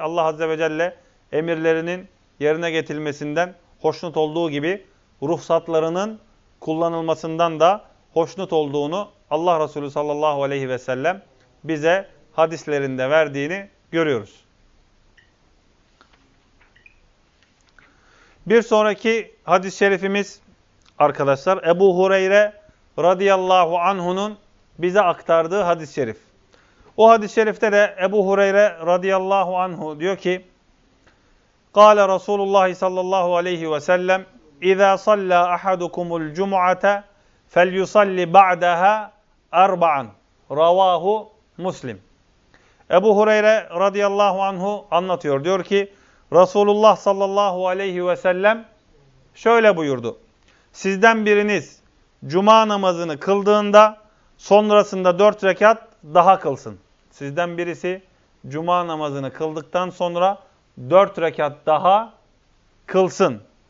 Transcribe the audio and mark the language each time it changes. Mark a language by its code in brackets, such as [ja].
[tr] Allah Azze ve Celle emirlerinin yerine getirilmesinden hoşnut olduğu gibi ruhsatlarının kullanılmasından da hoşnut olduğunu Allah Resulü sallallahu aleyhi ve sellem bize hadislerinde verdiğini görüyoruz. Bir sonraki hadis-i şerifimiz arkadaşlar Ebu Hureyre radıyallahu anhu'nun bize aktardığı hadis-i şerif. O hadis-i şerifte de Ebu Hureyre radıyallahu anhu diyor ki [ar] قَالَ رَسُولُ اللّٰهِ صَلَّى اللّٰهُ عَلَيْهِ وَسَلَّمْ اِذَا صَلَّى أَحَدُكُمُ الْجُمُعَةَ فَلْيُصَلِّ بَعْدَهَا اَرْبَعًا رَوَاهُ مُسْلِمْ [tr] Ebu Hureyre radıyallahu anhu anlatıyor. Diyor ki Resulullah sallallahu aleyhi ve sellem şöyle buyurdu. Sizden biriniz cuma namazını kıldığında sonrasında 4 rekat daha kılsın. Sizden birisi cuma namazını kıldıktan sonra 4 rekat daha kılsın.